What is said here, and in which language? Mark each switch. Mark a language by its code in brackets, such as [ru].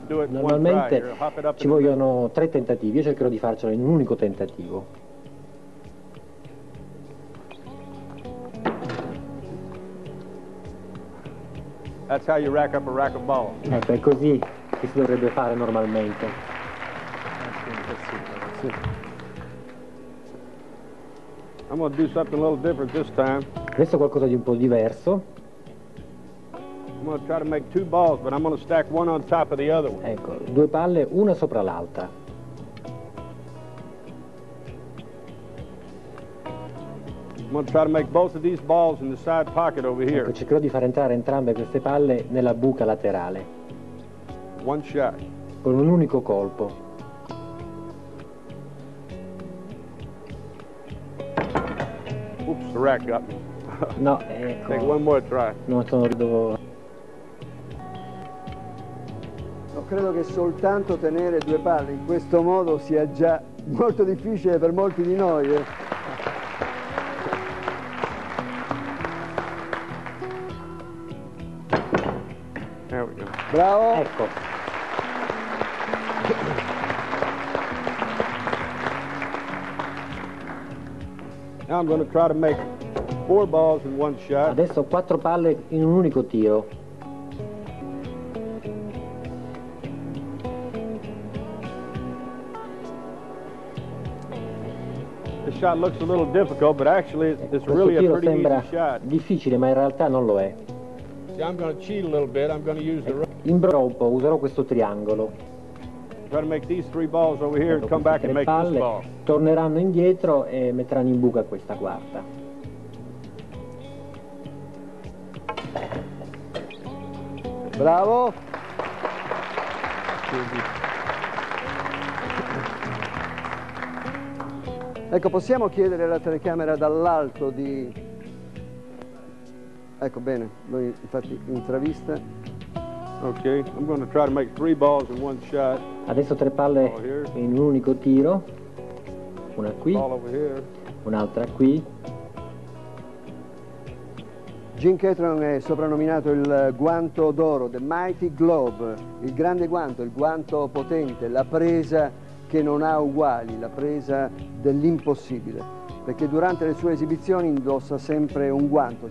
[it] Normalmente ci vogliono tre tentativi, io cercherò di farcelo in un unico tentativo. Ecco, è così che si dovrebbe fare normalmente. [en] I'm gonna do something a little different this time. [it] Adesso qualcosa di un po' diverso. [en] I'm gonna try to make two balls, but I'm gonna stack one on top of the other one. [it] Ecco, due palle una sopra l'altra. [en] I'm gonna try to make both of these balls in the side pocket over here. [it] Ecco, cercherò di far entrare entrambe queste palle nella buca laterale. [en] One shot. [it] Con un unico colpo. [en] Oops, the rack got me. [it] No, ecco. [en] Take one more try. [it] No, sono dovevo. No, credo che soltanto tenere due palle in questo modo sia già molto difficile per molti di noi. [en] There we go. [it] Bravo. Ecco. [en] Now I'm going to try to make four balls in one shot. [it] Adesso quattro palle in un unico tiro. [en] The shot looks a little difficult, but actually it's really a pretty [it] sembra [en] easy shot. [it] Difficile, ma in realtà non lo è. [en] See, I'm going to cheat a little bit. I'm going to use the [it] imbrò un po', userò questo triangolo. [en] Try to make these three balls over here and come back and make this ball. [it] Torneranno indietro e metteranno in buca questa quarta. Bravo. Ecco, possiamo chiedere alla telecamera dall'alto di. Ecco bene, noi infatti intravista. [en] Okay, I'm going to try to make three balls in one shot. [it] Adesso tre palle in un unico tiro. Una qui, un'altra qui. Gene Catron è soprannominato il guanto d'oro, The Mighty Glove, il grande guanto, il guanto potente, la presa che non ha uguali, la presa dell'impossibile, perché durante le sue esibizioni indossa sempre un guanto.